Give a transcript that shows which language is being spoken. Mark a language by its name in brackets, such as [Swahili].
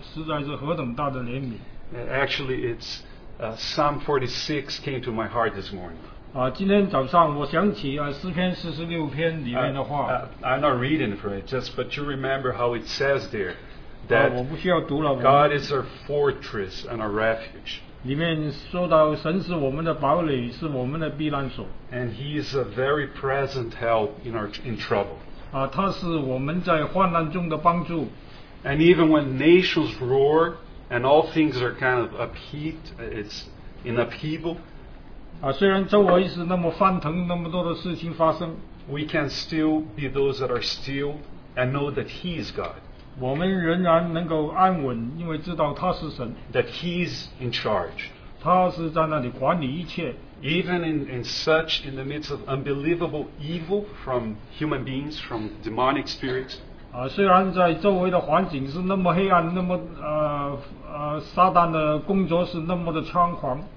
[English] Actually, it's Psalm 46 came to my heart this morning. [Chinese] 今天早上我想起诗篇四十六篇里面的话。 [English] I'm not reading for it, just but you remember how it says there that [Chinese] 我不需要读了。 [English] God is our fortress and our refuge. [Chinese] 里面说到神是我们的堡垒，是我们的避难所。 [English] And He is a very present help in our in trouble. [Chinese] 他是我们在患难中的帮助。 [English] And even when nations roar and all things are kind of upheaved, it's in upheaval. [Chinese] 虽然周围是那么翻腾，那么多的事情发生， [English] We can still be those that are still and know that He is God. [Chinese] 我们仍然能够安稳，因为知道他是神。 [English] That He is in charge. [Chinese] 他是在那里管理一切。 [English] Even in the midst of unbelievable evil from human beings, from demonic spirits. [Chinese] 虽然在周围的环境是那么黑暗，那么撒旦的工作是那么的猖狂。